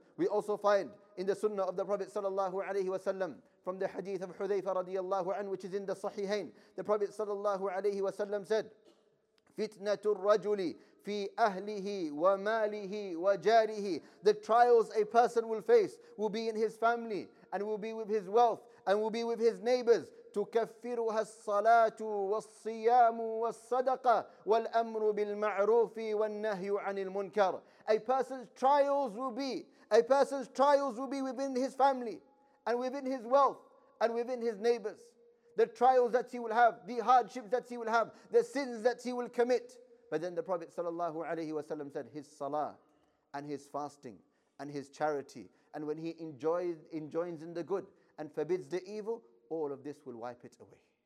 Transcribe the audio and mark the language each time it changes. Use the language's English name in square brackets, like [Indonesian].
[English] We also find in the sunnah of the Prophet sallallahu alayhi wa sallam, from the hadith of Hudhayfa radiyallahu an, which is in the Sahihain, the Prophet sallallahu alayhi wa sallam said, [Arabic] fitnatu rajuli fi ahlihi wa malihi wa jarihi. [English] The trials a person will face will be in his family, and will be with his wealth, and will be with his neighbors. [Arabic] تكفرها الصلاة والصيام والصدقة والأمر بالمعروف والنهي عن المنكر. [English] A person's trials will be, a person's trials will be within his family and within his wealth and within his neighbors. The trials that he will have, the hardships that he will have, the sins that he will commit. But then the Prophet sallallahu alaihi wasallam said, his salah and his fasting and his charity, and when he enjoins in the good and forbids the evil, all of this will wipe it away.